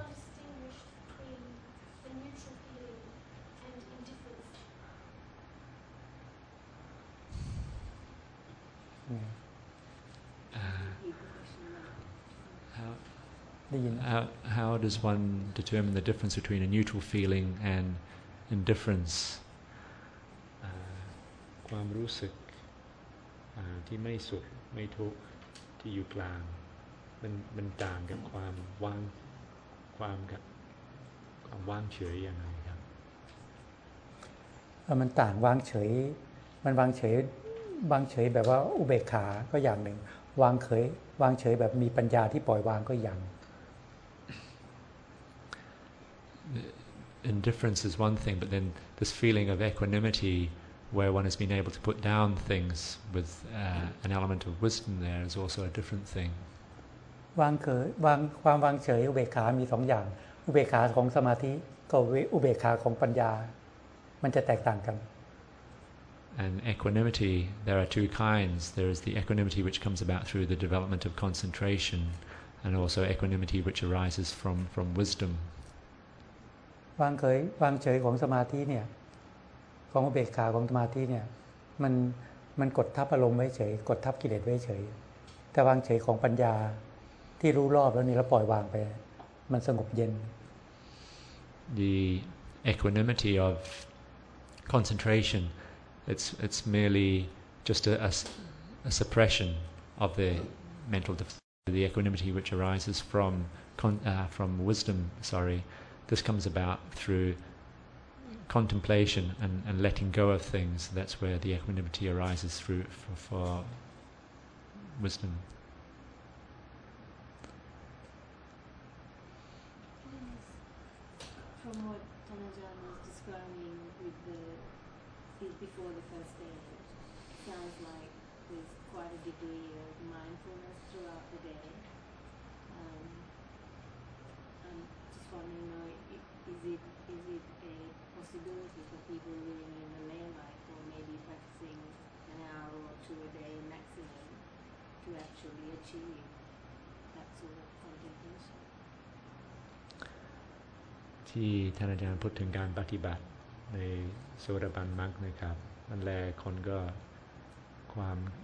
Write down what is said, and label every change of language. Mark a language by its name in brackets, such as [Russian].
[English] How does one determine the difference between a neutral feeling and indifference? [Thai] ความรู้สึกที่ไม่สุขไม่ทุกข์ที่อยู่กลางมันต่างกับความว่างความว่างเฉยยังไงครับ มันต่างว่างเฉยมันว่างเฉยแบบว่าอุเบกขาก็อย่างหนึ่งวางเฉยแบบมีปัญญาที่ปล่อยวางก็อย่าง [English] indifference is one thing but then this feeling of equanimity where one has been able to put down things with an element of wisdom there is also a different thing [Thai] วางเฉยวางความวางเฉยอุเบกขามี2อย่างอุเบกขาของสมาธิกับอุเบกขาของปัญญามันจะแตกต่างกัน [English] and equanimity there are two kinds there is the equanimity which comes about through the development of concentration and also equanimity which arises from wisdom [Thai] วางเฉยวางเฉยของสมาธิเนี่ยของอุเบกขาของสมาธิเนี่ยมันกดทับอารมณ์ไว้เฉยกดทับกิเลสไว้เฉยแต่วางเฉยของปัญญาที่รู้รอบแล้วนี่แล้วปล่อยวางไปมันสงบเย็น [English] The equanimity of concentration it's merely just a suppression of the mental the equanimity which arises from wisdom sorryThis comes about through contemplation and letting go of things. That's where the equanimity arises through for wisdom. From what Tanajan was describing with the before the first day, sounds like there's quite a degree of mindfulness throughout the day. I'm just wondering, you know, is it a possibility for people living in the lay life or maybe practicing an hour or two a day maximum to actually achieve that sort of contemplation? [Thai] ที่ท่านอาจารย์พูดถึงการปฏิบัติในโสดาบันมรรคนะครับมันแลคนก็ความ